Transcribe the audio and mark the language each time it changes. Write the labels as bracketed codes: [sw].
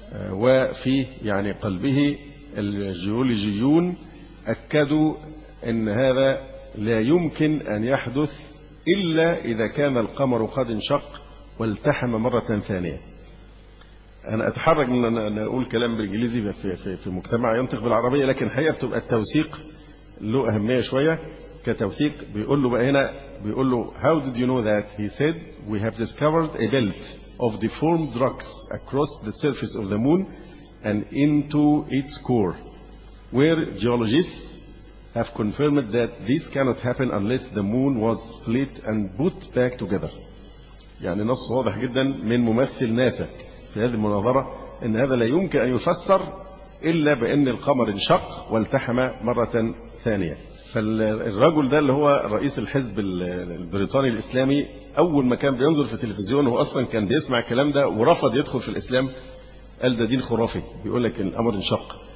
[ar] وفي يعني قلبه الجيولوجيون أكدوا أن هذا لا يمكن أن يحدث إلا إذا كان القمر قد انشق والتحم مرة ثانية. أنا أتحرك من أن أقول كلام بالإنجليزي في مجتمع ينطق بالعربية، لكن حقيقة بتبقى التوثيق له أهمية شوية كتوثيق. بيقول له بقى هنا بيقول له [en] How did you know that? He said we have discovered a belt of deformed rocks across the surface of the moon and into its core where geologists have confirmed that this cannot happen unless the moon was split and put back together. [ar] يعني نص واضح جدا من ممثل ناسا في هذه المناظرة ان هذا لا يمكن ان يفسر الا بان القمر انشق والتحم مرة ثانية. فالرجل ده اللي هو رئيس الحزب البريطاني الإسلامي أول ما كان بينظر في التلفزيون هو أصلا كان بيسمع الكلام ده ورفض يدخل في الإسلام، قال ده دين خرافي بيقول لك إن الأمر انشق.